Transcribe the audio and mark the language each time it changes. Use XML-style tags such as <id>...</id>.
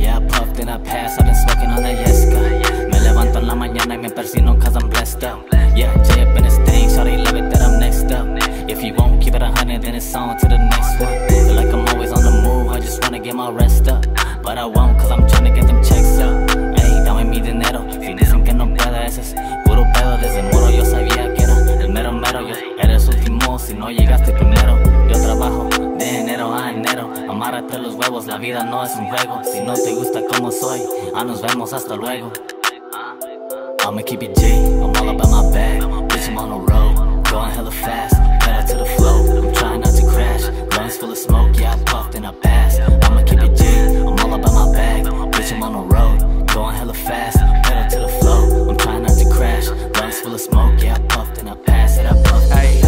<en>Yeah, I puffed and I passed, I've been smoking on that yesca.</en> <es>Me levanto en la mañana y me persino</es> <en>cause I'm blessed up. Yeah, J up in this thing, shawty love it that I'm next up. If you won't keep it 100, then it's on to the next one. Feel like I'm always on the move, I just wanna get my rest up. But I won't cause I'm tryna get them checks up.</en> <es>Ey, dame mi dinero, si dicen que no pueda, ese es puro pedo. Desde moro yo sabía que era el mero mero. Yo eres último si no llegaste primero. Yo trabajo de enero a enero. Amárrate los huevos, la vida no es un juego. Si no te gusta como soy, ah, nos vemos, hasta luego.</es> <en>I'ma keep it G, I'm all about my bag. Bitch, I'm on the road, going hella fast. Pedal to the flow, I'm trying not to crash. Lungs full of smoke, yeah, I puffed and I passed. I'ma keep it G, I'm all about my bag. Bitch, I'm on the road, going hella fast. Pedal to the flow, I'm trying not to crash. Lungs full of smoke, yeah, I puffed and I passed. Yeah, I puffed and I passed.</en>